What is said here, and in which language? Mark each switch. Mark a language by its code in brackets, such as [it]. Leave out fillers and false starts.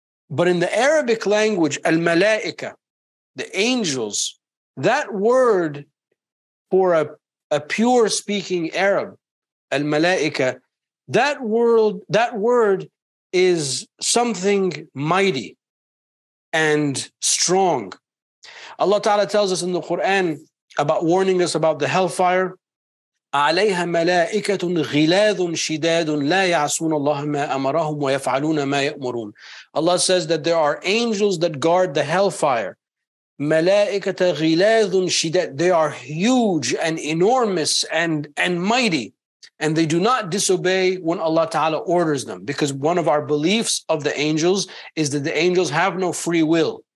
[en] But in the Arabic language, al-mala'ika, the angels, that word for a pure speaking Arab, al-mala'ika, that word is something mighty and strong. Allah Ta'ala tells us in the Quran about warning us about the hellfire. [ar] عليها ملائكة غلاظ شداد لا يعصون الله ما أمرهم ويفعلون ما يأمرون. [en] Allah says that there are angels that guard the hellfire. [ar] ملائكة غلاظ شداد. [en] They are huge and enormous and mighty. And they do not disobey when Allah Ta'ala orders them. Because one of our beliefs of the angels is that the angels have no free will.